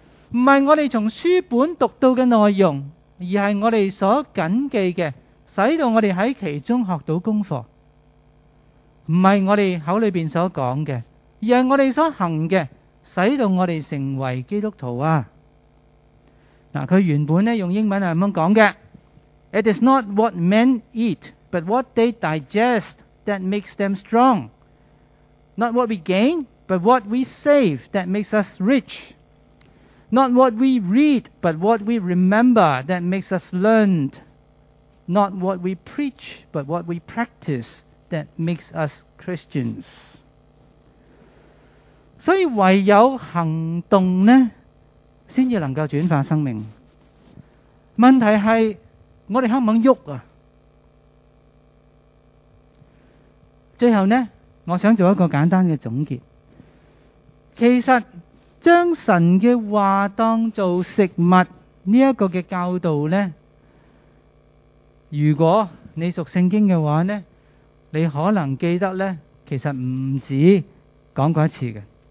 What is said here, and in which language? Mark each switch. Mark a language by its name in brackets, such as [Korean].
[Chinese] 不是我们从书本读到的内容，而是我们所谨记的使到我们在其中学到功课。不是我们口里面所讲的，而是我们所行的使到我们成为基督徒啊。他原本用英文是这样讲的， [English] It is not what men eat, but what they digest that makes them strong. Not what we gain, but what we save that makes us rich. Not what we read, but what we remember that makes us learned. Not what we preach, but what we practice that makes us Christians. [Chinese] 所以唯有行动呢，先至能够转化生命。问题是，我们肯不肯动啊？最后呢，我想做一个简单的总结。其实将神的话当做食物这个的教导呢，如果你熟圣经的话呢，你可能记得呢其实不止讲过一次的。